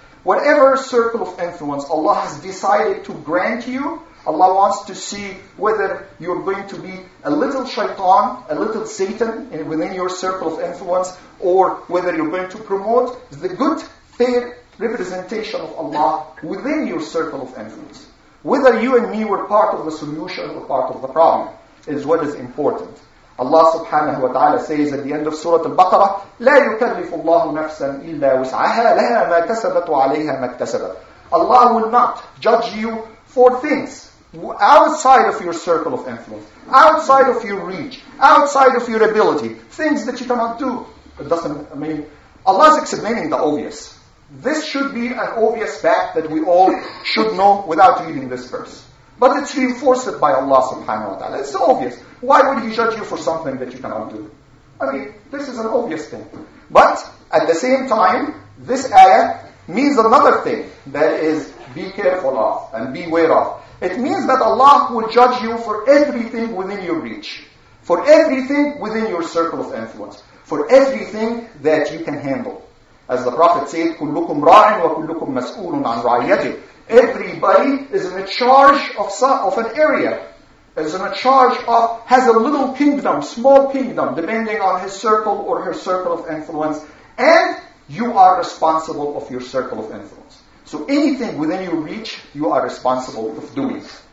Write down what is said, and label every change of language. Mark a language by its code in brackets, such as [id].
[en] Whatever circle of influence Allah has decided to grant you, Allah wants to see whether you're going to be a little shaitan, a little Satan within your circle of influence, or whether you're going to promote the good, fair, representation of Allah within your circle of influence. Whether you and me were part of the solution or part of the problem is what is important. Allah subhanahu wa ta'ala says at the end of Surah Al-Baqarah, [ar] لا يكلف الله نفسا إلا وسعها لها ما كسبت وعليها ما اكتسبت. [en] Allah will not judge you for things outside of your circle of influence, outside of your reach, outside of your ability, things that you cannot do. It doesn't mean Allah is explaining the obvious. This should be an obvious fact that we all should know without reading this verse. But it's reinforced by Allah subhanahu wa ta'ala. It's obvious. Why would He judge you for something that you cannot do? I mean, this is an obvious thing. But at the same time, this ayah means another thing. That is, be careful of and beware of. It means that Allah will judge you for everything within your reach. For everything within your circle of influence. For everything that you can handle. As the Prophet said, [ar] كُلُّكُمْ رَاعٍ وَكُلُّكُمْ مَسْؤُولٌ عَنْ رَعِيَتِهِ. [en] Everybody is in a charge of some, of an area. Is in a charge of, has a little kingdom, small kingdom, depending on his circle or her circle of influence. And you are responsible of your circle of influence. So anything within your reach, you are responsible of doing.